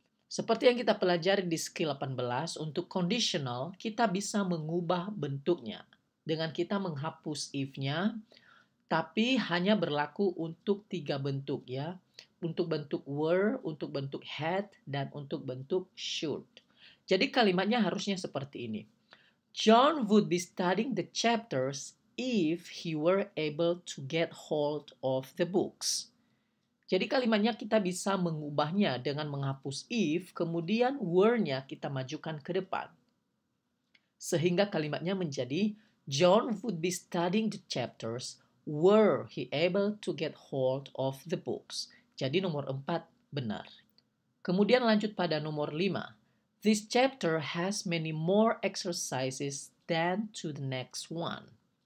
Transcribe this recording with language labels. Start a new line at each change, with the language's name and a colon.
Indonesian: Seperti yang kita pelajari di skill 18, untuk conditional, kita bisa mengubah bentuknya dengan kita menghapus if-nya, tapi hanya berlaku untuk tiga bentuk, ya. Untuk bentuk were, untuk bentuk had, dan untuk bentuk should. Jadi kalimatnya harusnya seperti ini.
English: John would be studying the chapters if he were able to get hold of the books.
Indonesian: Jadi kalimatnya kita bisa mengubahnya dengan menghapus if, kemudian were-nya kita majukan ke depan. Sehingga kalimatnya menjadi
English: John would be studying the chapters were he able to get hold of the books.
Indonesian: Jadi nomor 4 benar. Kemudian lanjut pada nomor 5.
English: This chapter has many more exercises than to the next one.